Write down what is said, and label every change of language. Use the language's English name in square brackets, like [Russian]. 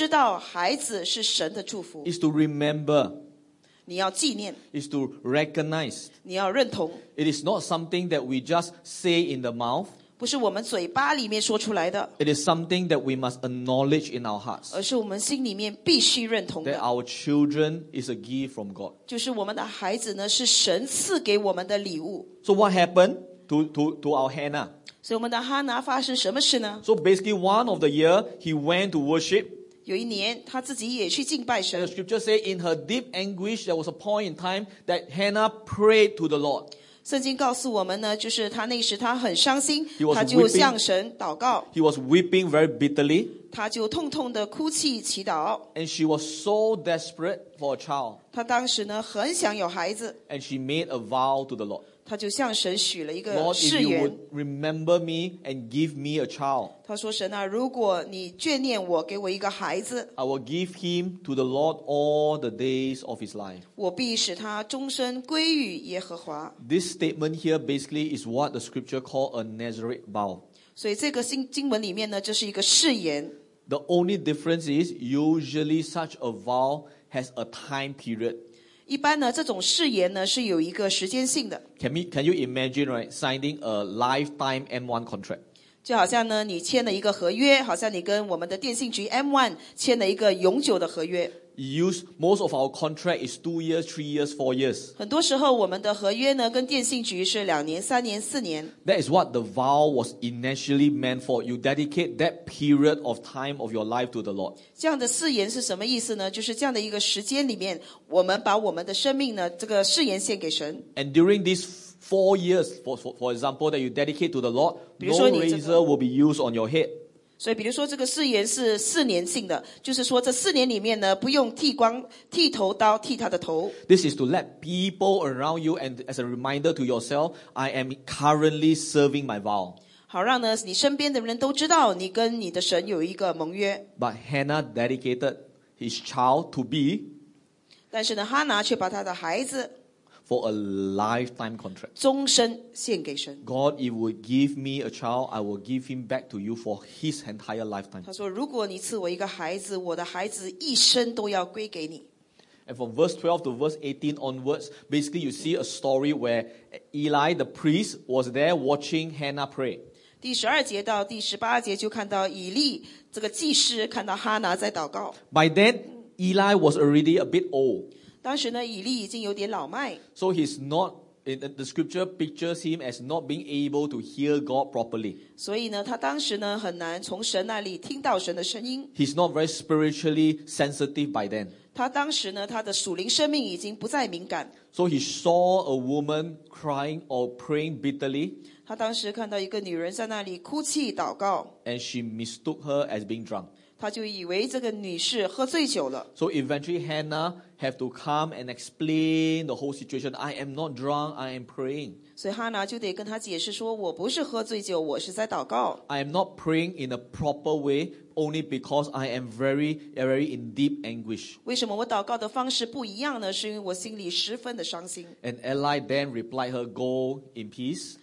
[Chinese] 第一件事我们必须做的就是要知道孩子是神的祝福。 [English] Is to remember. [Chinese] 你要纪念。 [English] Is to recognize. [Chinese] 你要认同。 [English] It is not something that we just say in the mouth. [Chinese] 不是我们嘴巴里面说出来的, [English] it is something that we must acknowledge in our hearts. [Chinese] 而是我们心里面必须认同的, [English] that our children is a gift from God. [Chinese] 就是我们的孩子呢, 是神赐给我们的礼物。 [English] So what happened to our Hannah? [Chinese] 所以我们的哈娜发生什么事呢? [English] So basically one of the year, he went to worship. [Chinese] 有一年, 她自己也去敬拜神。 [English] And the scripture says, in her deep anguish, there was a point in time that Hannah prayed to the Lord. [Chinese] 圣经告诉我们呢, 就是他那时他很伤心, 他就向神祷告。 [English] He was weeping very bitterly. [Chinese] 他就痛痛地哭泣, 祈祷。 [English] And she was so desperate for a child. [Chinese] 他当时呢, 很想有孩子。 [English] And she made a vow to the Lord. [Chinese] 他就向神许了一个誓言。 [English] Lord, if you would remember me and give me a child. [Chinese] 他说神啊, 如果你眷念我, 给我一个孩子, [English] I will give him to the Lord all the days of his life. [Chinese] 我必使他终身归于耶和华。 [English] This statement here basically is what the scripture called a Nazarite vow. [Chinese] 所以这个经文里面呢, 这是一个誓言。 [English] The only difference is usually such a vow has a time period. [Chinese] 一般呢, 这种誓言呢, 是有一个时间性的。 [English] Can you imagine, right, signing a lifetime M1 contract? [Chinese] 就好像呢, 你签了一个合约, 好像你跟我们的电信局 M1 签了一个永久的合约。 [English] Use most of our contract is 2 years, 3 years, 4 years. [Chinese] 很多时候我们的合约呢, 跟电信局是两年, 三年, 四年。 [English] That is what the vow was initially meant for. You dedicate that period of time of your life to the Lord. [Chinese] 这样的誓言是什么意思呢?就是这样的一个时间里面, 我们把我们的生命呢, 这个誓言献给神。 [English] And during these 4 years, for example, that you dedicate to the Lord, [Chinese] 比如说你这个, [English] no razor will be used on your head. [Chinese] 所以比如说这个誓言是四年性的, 就是说这四年里面呢, 不用剃光, 剃头刀, 剃他的头。 [English] This is to let people around you and as a reminder to yourself, I am currently serving my vow. [Chinese] 好让呢, 你身边的人都知道, 你跟你的神有一个盟约。 [English] But Hannah dedicated his child to be. [Chinese] 但是呢, Hannah 却把他的孩子 [English] for a lifetime contract. [Chinese] 终身献给神. [English] God, if you would give me a child, I will give him back to you for his entire lifetime. [Chinese] 他说, 如果你赐我一个孩子, 我的孩子一生都要归给你. [English] And from verse 12 to verse 18 onwards, basically you see a story where Eli, the priest, was there watching Hannah pray. [Chinese] 第12节到第18节就看到以利这个祭司看到哈拿在祷告。 [English] By then, Eli was already a bit old. [Chinese] 当时呢,以利已经有点老迈。 [English] So he's not, the scripture pictures him as not being able to hear God properly. [Chinese] 所以呢,他当时呢,很难从神那里听到神的声音。 [English] He's not very spiritually sensitive by then. [Chinese] 他当时呢,他的属灵生命已经不再敏感。 [English] So he saw a woman crying or praying bitterly. [Chinese] 他当时看到一个女人在那里哭泣祷告。 [English] And she mistook her as being drunk. [Chinese] 他就以为这个女士喝醉酒了。 [English] So eventually Hannah have to come and explain the whole situation. I am not drunk, I am praying. [Chinese] 所以哈拿就得跟他解释说我不是喝醉酒,我是在祷告。 [English] I am not praying in a proper way only because I am very, very in deep anguish. [Chinese] 为什么我祷告的方式不一样呢?是因为我心里十分的伤心。 [English] And Eli then replied her, go in peace.